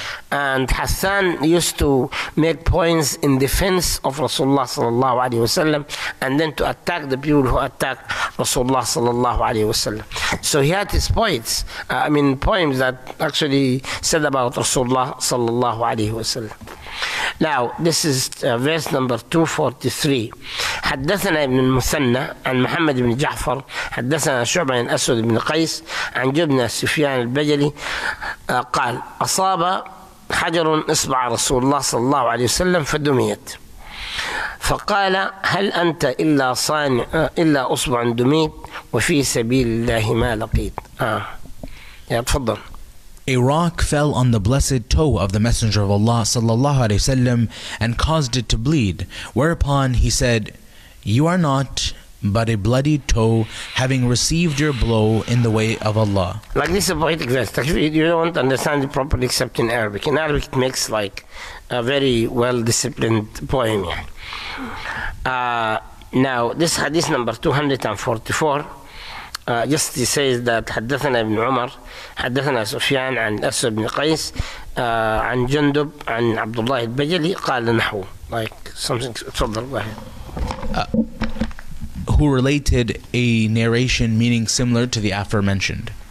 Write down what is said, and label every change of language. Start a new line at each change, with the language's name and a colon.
English: And Hassan used to make poems in defense of Rasulullah sallallahu alayhi wa sallam, and then to attack the people who attack Rasulullah sallallahu alayhi wa sallam. So he had his poets, poems that actually said about Rasulullah sallallahu alayhi wa sallam. Now, this is verse number 243.
Arabic: حدثنا ابن المثنى عن محمد بن جعفر حدثنا شعبة عن أسود بن قيس عن جبنة سفيان البجلي قال أصاب حجر إصبع رسول الله صلى الله عليه وسلم فدميت فقال هل أنت إلا صانع إلا أصبع دميت وفي سبيل الله ما لقيت. يا تفضل.
English: A rock fell on the blessed toe of the Messenger of Allah sallallahu alayhi wasallam and caused it to bleed, whereupon he said, you are not but a bloody toe having received your blow in the way of Allah. Like this is a poetic verse. Actually, you don't understand it properly except in Arabic. In Arabic it makes like a very well-disciplined poem. Now this hadith number 244. Just to say that
Arabic: حدثنا ابن عمر حدثنا سفيان عن أسد بن قيس عن جندب عن عبد الله البجلي قال نحو
English: like something.
Arabic: تفضل.
English: Who related a narration meaning similar to the aforementioned.